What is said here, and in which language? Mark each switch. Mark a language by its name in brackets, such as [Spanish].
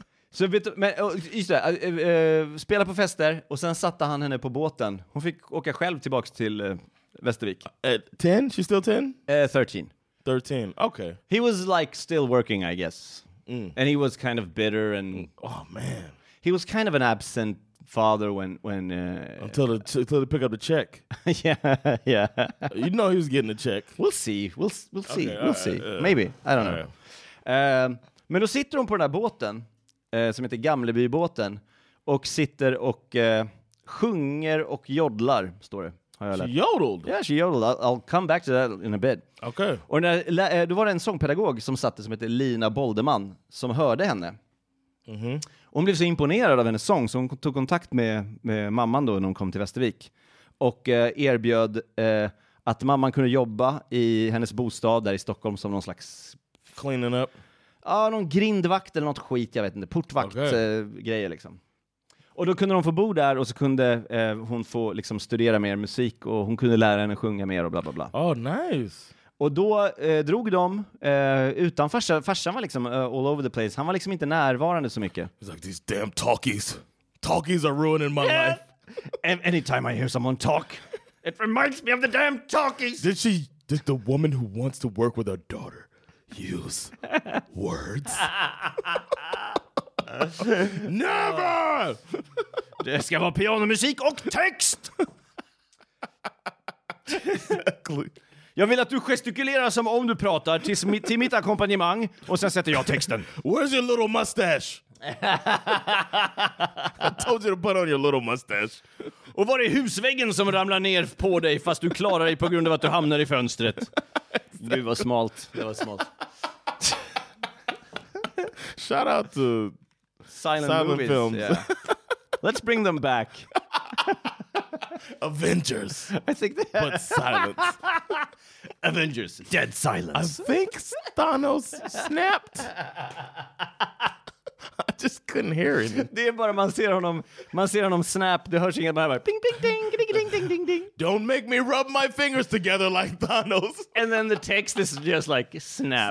[Swedish] så vet du, men, just det, spela på fester och sen satte han henne på båten. Hon fick åka själv tillbaka till Västervik. [English] 10? She's still 10? 13. 13, okay. He was like still working, I guess. Mm. And he was kind of bitter and... Oh, man. He was kind of an absent father when until they pick up the check. yeah you know he was getting a check. We'll see okay, we'll see right, maybe I don't know right. [Swedish] Men då sitter hon på den här båten som heter Gamlebybåten och sitter och sjunger och jodlar, står det, har jag lärt. [English] She yodeled. Yeah, she yodeled. I'll come back to that in a bit. Okay. [Swedish] Och när, då var det en sångpedagog som satte som heter Lina Boldeman som hörde henne. Mm-hmm. Hon blev så imponerad av hennes sång så hon tog kontakt med mamman då när hon kom till Västervik. Och erbjöd att mamman kunde jobba i hennes bostad där i Stockholm som någon slags... [English] Cleaning up? [Swedish] Ja, någon grindvakt eller något skit, jag vet inte. Portvaktgrejer okay. Liksom. Och då kunde de få bo där och så kunde hon få liksom, studera mer musik och hon kunde lära henne sjunga mer och bla bla bla. [English] Oh, nice! [Swedish] Och då drog de utan farsa. Farsan var liksom [English] all over the place. [Swedish] Han var liksom inte närvarande så mycket. [English] He's like, these damn talkies. Talkies are ruining my life. Anytime I hear someone talk, it reminds me of the damn talkies. Did the woman who wants to work with her daughter use words? Never! [Swedish] Det ska vara pianomusik och text! [English] Exactly. [Swedish] Jag vill att du gestikulerar som om du pratar till mitt akkompanjemang och sen sätter jag texten. [English] Where's your little mustache? I told you to put on your little mustache. [Swedish] Och var är husväggen som ramlar ner på dig fast du klarar dig på grund av att du hamnar i fönstret? Gud vad smalt. Det var smalt. [English] Shout out to silent movies. Films. Yeah. Let's bring them back. Avengers. I think they but silence. Avengers, dead silence. I think Thanos snapped. I just couldn't hear it. [Swedish] Det är bara man ser honom snap, det hörs inget, bara ping ping ding ding ding ding ding. [English] Don't make me rub my fingers together like Thanos. And then the text is just like snap.